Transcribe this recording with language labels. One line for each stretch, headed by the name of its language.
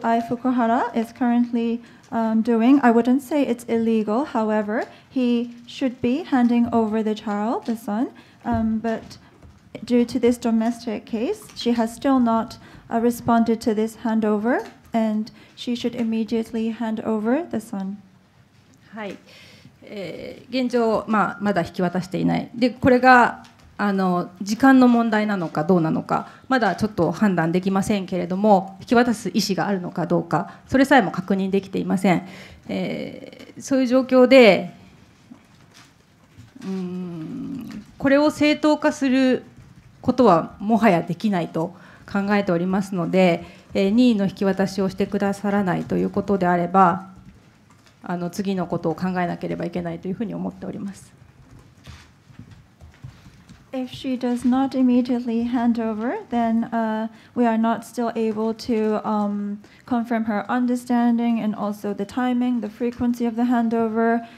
English: Ai Fukuhara is currently doing, I wouldn't say it's illegal. However, he should be handing over the child, the son. But due to this domestic case, she has still not responded to this handover, and she should immediately hand over the son.
Japanese: はい、現状、まだ引き渡していない。で、これが時間の問題なのかどうなのか、まだちょっと判断できませんけれども、引き渡す意思があるのかどうか、それさえも確認できていません。そういう状況で、これを正当化することはもはやできないと考えておりますので、任意の引き渡しをしてくださらないということであれば次のことを考えなければいけないというふうに思っております。
English: If she does not immediately hand over, then we are not still able to confirm her understanding and also the timing, the frequency of the handover.